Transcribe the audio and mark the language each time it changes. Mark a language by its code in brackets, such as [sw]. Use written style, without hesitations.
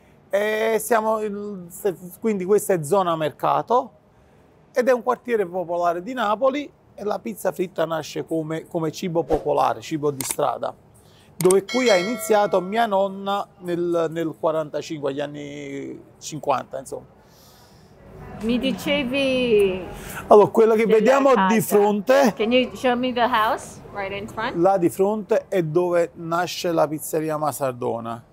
[it] E siamo quindi questa è zona mercato ed è un quartiere popolare di Napoli e la pizza fritta nasce come cibo popolare, cibo di strada, dove qui ha iniziato mia nonna nel 45, agli anni 50 insomma. Mi dicevi. Allora, quello che vediamo casa. Di fronte. [en] Can you show me the house right in front? [it] Là di fronte è dove nasce la pizzeria Masardona.